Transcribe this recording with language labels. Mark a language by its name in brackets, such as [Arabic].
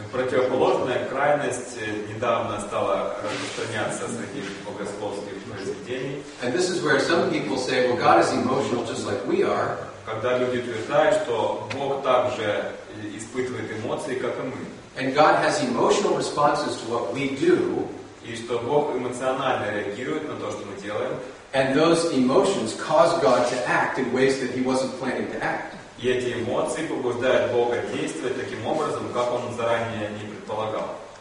[Russian] Противоположная крайность недавно стала распространяться среди богословских произведений. [English] And this is where some people say, well, God is emotional just like we are. [Russian] Когда люди утверждают, что Бог также испытывает эмоции, как и мы. [English] And God has emotional responses to what we do. [Russian] И что Бог эмоционально реагирует на то, что мы делаем. [English] And those emotions cause God to act in ways that he wasn't planning to act. [Russian] И эти эмоции побуждают Бога действовать таким образом, как он заранее не предполагал.